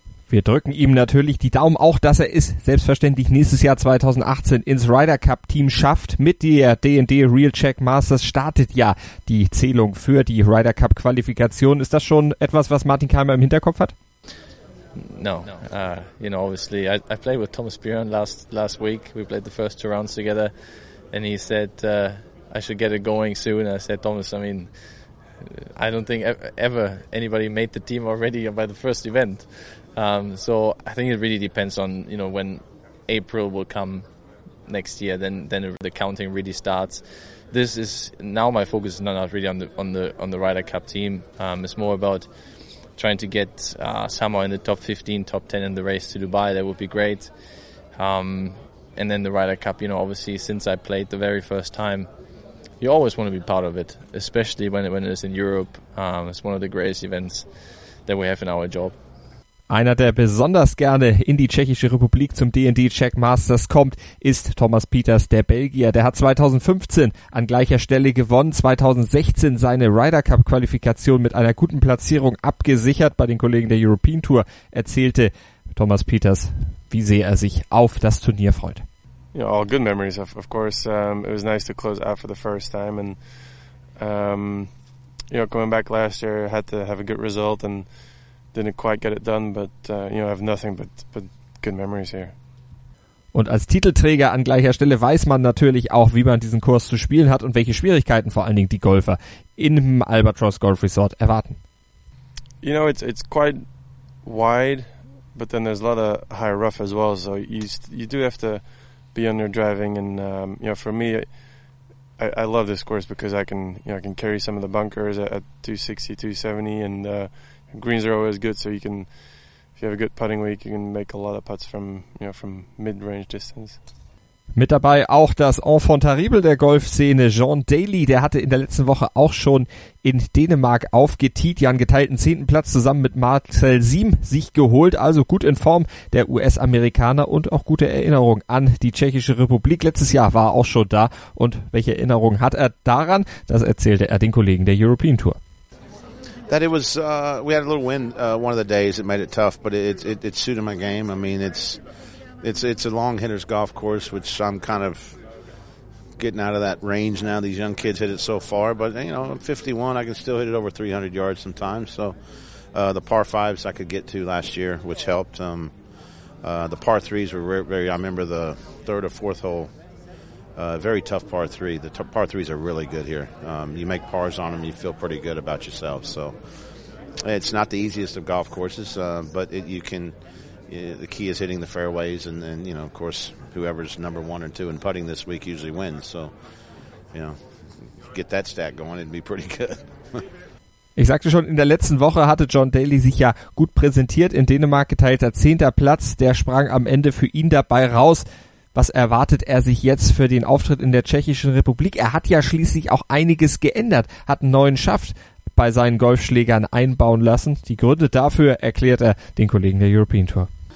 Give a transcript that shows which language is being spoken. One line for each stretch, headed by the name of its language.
German: Wir drücken ihm natürlich die Daumen, auch dass er es selbstverständlich nächstes Jahr 2018 ins Ryder Cup Team schafft. Mit der D&D Real Czech Masters startet ja die Zählung für die Ryder Cup Qualifikation. Ist das schon etwas, was Martin Keimer im Hinterkopf hat?
English: No. You know, obviously, I played with Thomas Bjørn last week. We played the first 2 rounds together and he said I should get it going soon. I said, Thomas, I mean, I don't think ever anybody made the team already by the first event. So I think it really depends on, you know, when April will come next year, then the counting really starts. This is now my focus is not really on the Ryder Cup team. It's more about trying to get somewhere in the top 15, top 10 in the race to Dubai. That would be great. And then the Ryder Cup, you know, obviously since I played the very first time, you always want to be part of it, especially when it's in Europe. It's one of the greatest events that we have in our job.
German: Einer, der besonders gerne in die Tschechische Republik zum D&D Czech Masters kommt, ist Thomas Peters, der Belgier. Der hat 2015 an gleicher Stelle gewonnen, 2016 seine Ryder Cup Qualifikation mit einer guten Platzierung abgesichert. Bei den Kollegen der European Tour erzählte Thomas Peters, wie sehr er sich auf das Turnier freut.
English: You know, all good memories, of course. It was nice to close out for the first time and you know, coming back last year, had to have a good result and didn't quite get it done, but you know, I have nothing but good memories here.
German: Und als Titelträger an gleicher Stelle weiß man natürlich auch, wie man diesen Kurs zu spielen hat und welche Schwierigkeiten vor allen Dingen die Golfer im Albatros Golf Resort erwarten.
English: You know, it's quite wide, but then there's a lot of high rough as well, so you do have to be on your driving and you know, for me I love this course because I can, you know, I can carry some of the bunkers at 260, 270 and greens are always good, so you can, if you have a good putting week, you can make a lot of putts from, you know, from mid-range distance.
German: Mit dabei auch das Enfant terrible der Golfszene, John Daly, der hatte in der letzten Woche auch schon in Dänemark aufgeteet, ja, einen geteilten 10. Platz zusammen mit Marcel Siem sich geholt, also gut in Form der US-Amerikaner und auch gute Erinnerung an die Tschechische Republik. Letztes Jahr war er auch schon da und welche Erinnerung hat er daran? Das erzählte er den Kollegen der European Tour.
English: That it was, we had a little wind one of the days. It made it tough, but it suited my game. I mean, it's a long hitter's golf course, which I'm kind of getting out of that range now. These young kids hit it so far, but you know, I'm 51, I can still hit it over 300 yards sometimes. So the par fives I could get to last year, which helped. The par threes were very. I remember the third or fourth hole, very tough par three. The par threes are really good here. You make pars on them, you feel pretty good about yourself. So it's not the easiest of golf courses, but the key is hitting the fairways. And you know, of course, whoever's number one or two in putting this week usually wins. So, you know, get that stat going, it'd be pretty good.
German: Ich sagte schon, in der letzten Woche hatte John Daly sich ja gut präsentiert. In Dänemark geteilter 10. Platz, der sprang am Ende für ihn dabei raus. Was erwartet er sich jetzt für den Auftritt in der Tschechischen Republik? Er hat ja schließlich auch einiges geändert, hat einen neuen Schaft bei seinen Golfschlägern einbauen lassen. Die Gründe dafür erklärt er den Kollegen der European Tour.